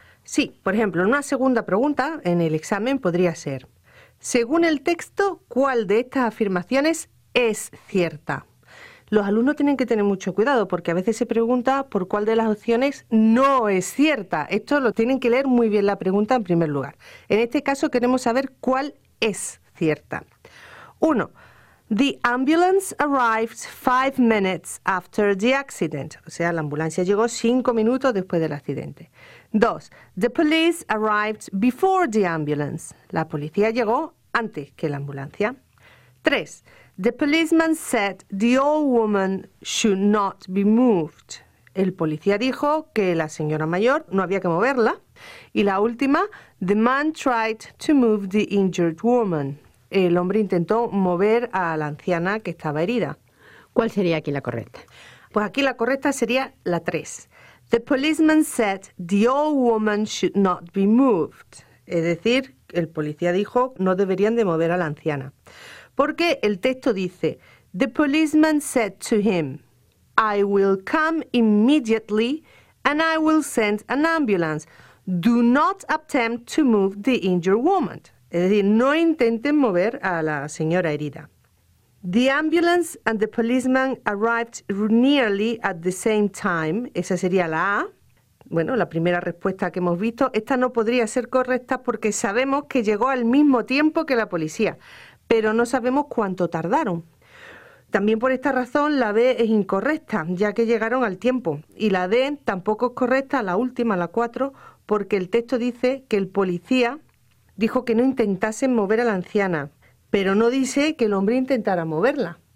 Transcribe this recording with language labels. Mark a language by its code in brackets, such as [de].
[es] Sí, por ejemplo, una segunda pregunta en el examen podría ser, según el texto, ¿cuál de estas afirmaciones es cierta? Los alumnos tienen que tener mucho cuidado porque a veces se pregunta por cuál de las opciones no es cierta. Esto lo tienen que leer muy bien la pregunta en primer lugar. En este caso queremos saber cuál es cierta. 1. [en] The ambulance arrived 5 minutes after the accident. [es] O sea, la ambulancia llegó 5 minutos después del accidente. 2. [en] The police arrived before the ambulance. [es] La policía llegó antes que la ambulancia. 3. [en] The policeman said the old woman should not be moved. [es] El policía dijo que la señora mayor no había que moverla. Y la última, [en] the man tried to move the injured woman. [es] El hombre intentó mover a la anciana que estaba herida. ¿Cuál sería aquí la correcta? Pues aquí la correcta sería la 3. [en] The policeman said the old woman should not be moved. [es] Es decir, el policía dijo no deberían de mover a la anciana. Porque el texto dice, [en] the policeman said to him, I will come immediately and I will send an ambulance. Do not attempt to move the injured woman. [es] Es decir, no intenten mover a la señora herida. [en] The ambulance and the policeman arrived nearly at the same time. [es] Esa sería la A. Bueno, la primera respuesta que hemos visto. Esta no podría ser correcta porque sabemos que llegó al mismo tiempo que la policía. Pero no sabemos cuánto tardaron. También por esta razón la B es incorrecta, ya que llegaron al tiempo. Y la D tampoco es correcta, la última, la 4, porque el texto dice que el policía dijo que no intentasen mover a la anciana, pero no dice que el hombre intentara moverla.